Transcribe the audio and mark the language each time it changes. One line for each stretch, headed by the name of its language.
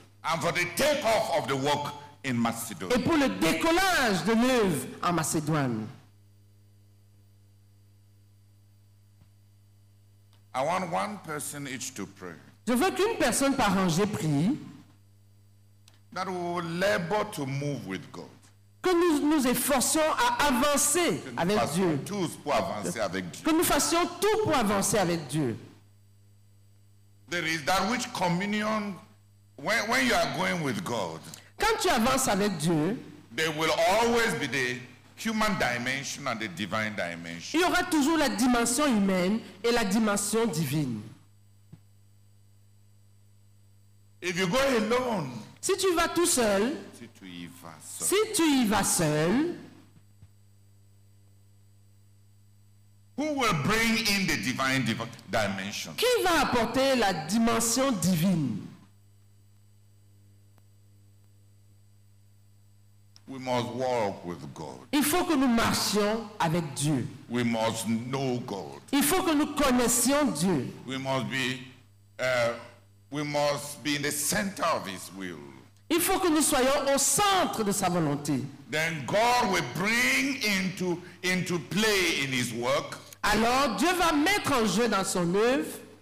English: And for the takeoff of the work in Macedonia.
French: Et pour le décollage de l'œuvre en Macédoine.
English: I want one person each to pray.
French: Je veux qu'une personne par rangée prie.
English: That we will labor to move with God.
French: Que nous nous efforçons à avancer avec Dieu. Tous pour avancer avec Dieu. Que nous fassions tout pour avancer avec Dieu.
English: There is that which communion, when you are going with God,
French: quand tu avances avec Dieu,
English: there will always be the human dimension and the divine dimension.
French: Il y aura toujours la dimension humaine et la dimension divine.
English: If you go alone,
French: si tu vas tout seul, si tu y vas seul,
English: who will bring in the divine dimension?
French: Qui va apporter la dimension divine?
English: We must walk with God.
French: Il faut que nous marchions avec Dieu.
English: We must know God.
French: Il faut que nous connaissions Dieu.
English: We must be in the center of His will.
French: Il faut que nous soyons au centre de sa volonté.
English: Then God will bring into play in His work.
French: Alors Dieu va mettre en jeu dans son œuvre.